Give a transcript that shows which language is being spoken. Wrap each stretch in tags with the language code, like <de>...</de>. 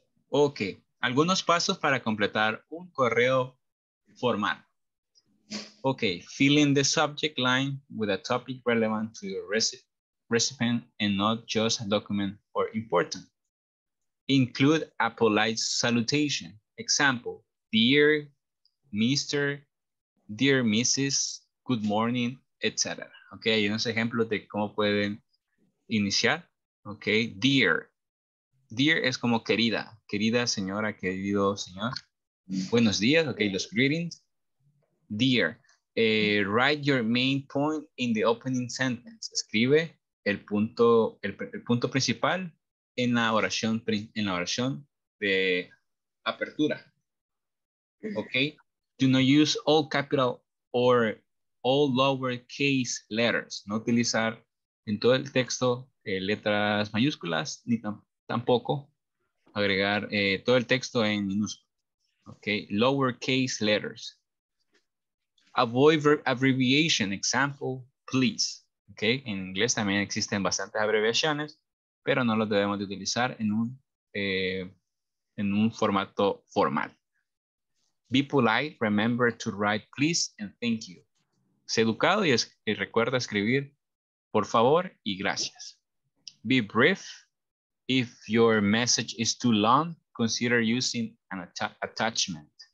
<es>Ok, algunos pasos para completar un correo formal.</es> <en>Ok, fill in the subject line with a topic relevant to your recipient and not just a document or important. Include a polite salutation. Example, dear Mr., dear Mrs., good morning, etc.</en> <es>Ok, hay unos ejemplos de cómo pueden iniciar. Ok, dear. Dear es como querida. Querida señora, querido señor. Buenos días. Ok, los greetings. Dear.</es> <en>Write your main point in the opening sentence.</en> <es>Escribe el punto principal en la oración de apertura. Ok.</es> <en>Do not use all capital or all lowercase letters.</en> <es>No utilizar en todo el texto letras mayúsculas, ni tampoco agregar todo el texto en minúsculas.</es> <en>Ok, lowercase letters. Avoid abbreviation, example, please.</en> <es>Ok, en inglés también existen bastantes abreviaciones, pero no las debemos de utilizar en un formato formal.</es> <en>Be polite, remember to write please and thank you.</en> <es>Sé educado y recuerda escribir por favor y gracias.</es> <en>Be brief. If your message is too long, consider using an attachment.</en>